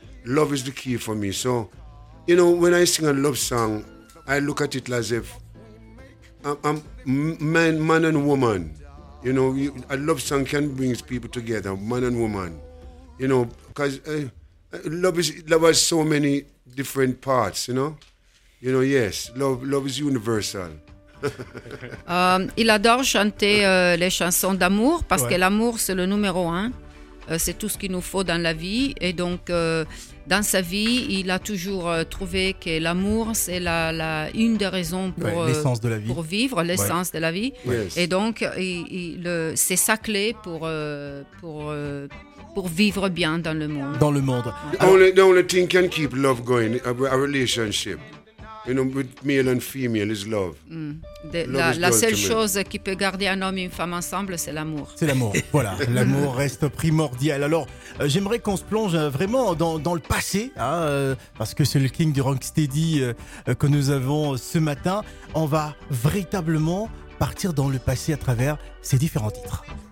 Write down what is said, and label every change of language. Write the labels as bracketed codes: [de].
[en] Love is the key for me. So, you know, when I sing a love song, I look at it as if man and woman You know, a love song can bring people together, man and woman. You know, because love has so many different parts, you know. You know, yes, love is universal. [fr] Il adore chanter les chansons d'amour parce que l'amour, c'est le numéro un. C'est tout ce qu'il nous faut dans la vie. Et donc, dans sa vie, il a toujours trouvé que l'amour, c'est une des raisons pour, l'essence de la vie. Pour vivre, l'essence de la vie. Yes. Et donc, c'est sa clé pour vivre bien dans le monde. Dans le monde. [en] The only thing can keep love going, a relationship. You know, with male and female is love. Mm. [fr] La seule chose qui peut garder un homme et une femme ensemble, c'est l'amour. C'est l'amour, voilà. L'amour reste primordial. Alors, j'aimerais qu'on se plonge vraiment dans le passé, parce que c'est le king du rocksteady que nous avons ce matin. On va véritablement partir dans le passé à travers ces différents titres.